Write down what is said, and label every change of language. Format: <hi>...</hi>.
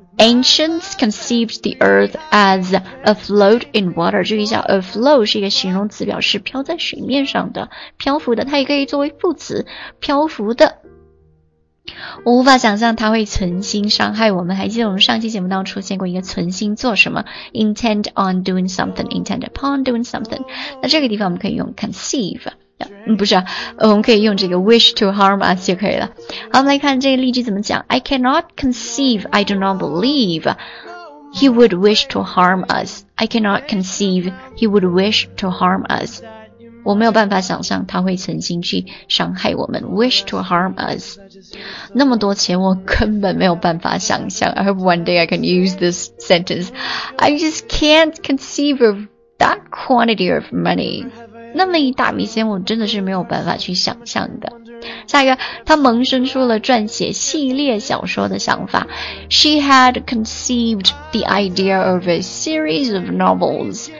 <en>Ancients conceived the earth as afloat in water.</en> <zh>注意一下 afloat 是一个形容词，表示飘在水面上的，漂浮的，它也可以作为副词，漂浮的。我无法想象他会存心伤害我们。还记得我们上期节目当中出现过一个存心做什么 ？</zh> <en>Intend on doing something,</en> <zh>intend upon doing something。那这个地方我们可以用 conceive，不是，我们可以用这个</zh> <en>wish to harm us</en> <zh>就可以了。好，我们来看这个例句怎么讲</zh> <en>：I cannot conceive, I do not believe he would wish to harm us. I cannot conceive he would wish to harm us。</en> <zh>我没有办法想象他会存心去伤害我们 ，</zh> <en>wish to harm us。</en> <zh>那么多钱，我根本没有办法想象。</zh> <en>I hope one day I can use this sentence. I just can't conceive of that quantity of money.</en> <zh>那么一大笔钱，我真的是没有办法去想象的。下一个，他萌生出了撰写系列小说的想法。</zh> <en>She had conceived the idea of a series of novels.</en>